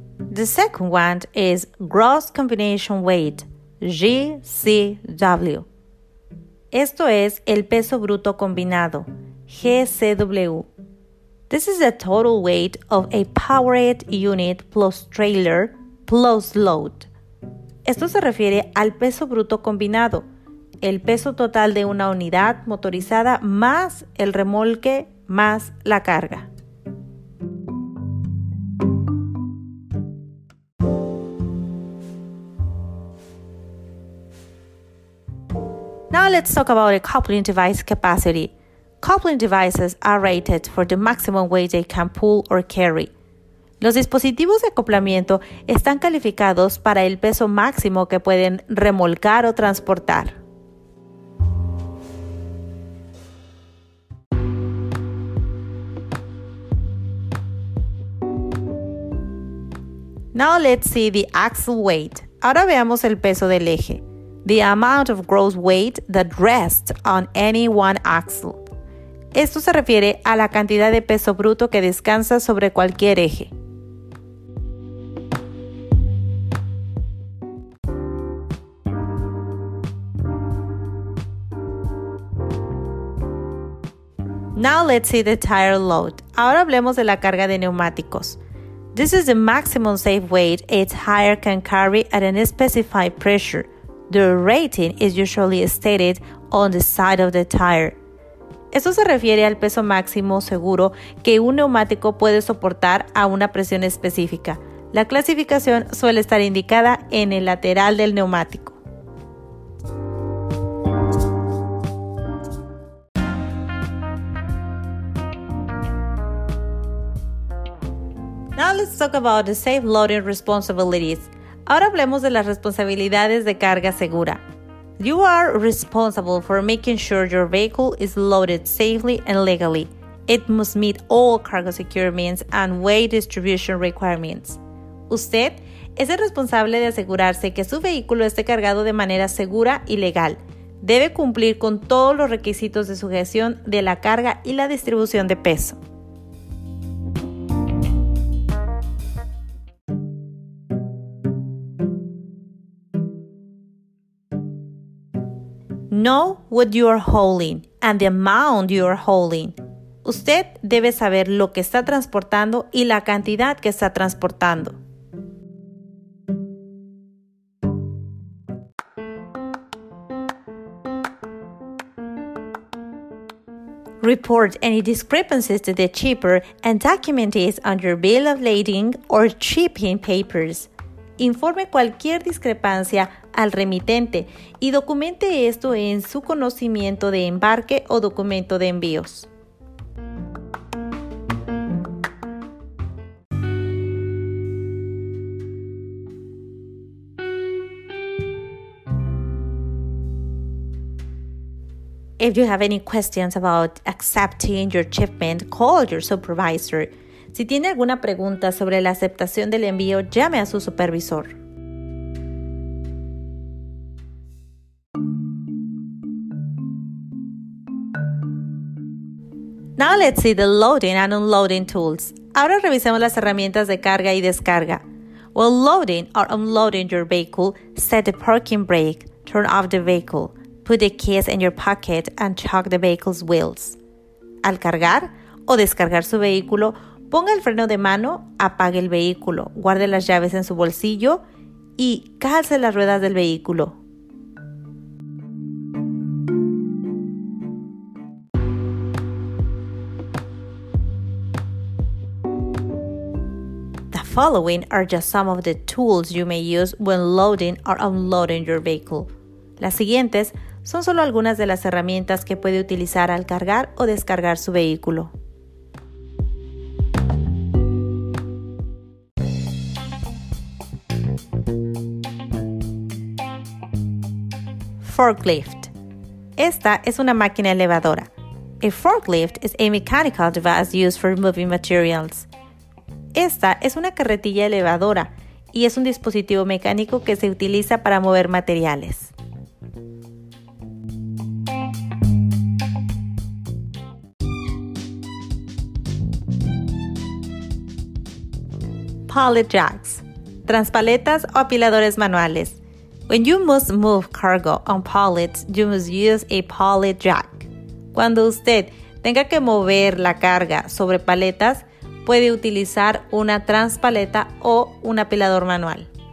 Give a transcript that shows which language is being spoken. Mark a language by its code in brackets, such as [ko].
[en] The second one is Gross Combination Weight, GCW. [es] Esto es el peso bruto combinado, GCW. [en] This is the total weight of a powered unit plus trailer plus load. [es] Esto se refiere al peso bruto combinado, el peso total de una unidad motorizada más el remolque más la carga. [en] Now let's talk about a coupling device capacity. Coupling devices are rated for the maximum weight they can pull or carry. [es] Los dispositivos de acoplamiento están calificados para el peso máximo que pueden remolcar o transportar. [en] Now let's see the axle weight. [es] Ahora veamos el peso del eje. [en] The amount of gross weight that rests on any one axle. [es] Esto se refiere a la cantidad de peso bruto que descansa sobre cualquier eje. [en] Now let's see the tire load. [es] Ahora hablemos de la carga de neumáticos. [en] This is the maximum safe weight a tire can carry at a specified pressure. The rating is usually stated on the side of the tire. [es] Esto se refiere al peso máximo seguro que un neumático puede soportar a una presión específica. La clasificación suele estar indicada en el lateral del neumático. [en] Now let's talk about the safe loading responsibilities. [es] Ahora hablemos de las responsabilidades de carga segura. [en] You are responsible for making sure your vehicle is loaded safely and legally. It must meet all cargo requirements and weight distribution requirements. [es] Usted es el responsable de asegurarse que su vehículo esté cargado de manera segura y legal. Debe cumplir con todos los requisitos de sujeción de la carga y la distribución de peso. [en] Know what you are hauling and the amount you are hauling. [es] Usted debe saber lo que está transportando y la cantidad que está transportando. [en] Report any discrepancies to the shipper and document it on your bill of lading or shipping papers. [es] Informe cualquier discrepancia al remitente y documente esto en su conocimiento de embarque o documento de envíos. [en] If you have any questions about accepting your shipment, call your supervisor. [es] Si tiene alguna pregunta sobre la aceptación del envío, llame a su supervisor. [en] Now let's see the loading and unloading tools. [es] Ahora revisemos las herramientas de carga y descarga. [en] While loading or unloading your vehicle, set the parking brake, turn off the vehicle, put the keys in your pocket and chalk the vehicle's wheels. [es] Al cargar o descargar su vehículo, ponga el freno de mano, apague el vehículo, guarde las llaves en su bolsillo y calce las ruedas del vehículo. [en] Following are just some of the tools you may use when loading or unloading your vehicle. [es] Las siguientes son solo algunas de las herramientas que puede utilizar al cargar o descargar su vehículo. Forklift. Esta es una máquina elevadora. [en] A forklift is a mechanical device used for moving materials. [es] Esta es una carretilla elevadora y es un dispositivo mecánico que se utiliza para mover materiales. Pallet jacks, transpaletas o apiladores manuales. [en] When you must move cargo on pallets, you must use a pallet jack. [es] Cuando usted tenga que mover la carga sobre paletas, puede utilizar una transpaleta o un apilador manual.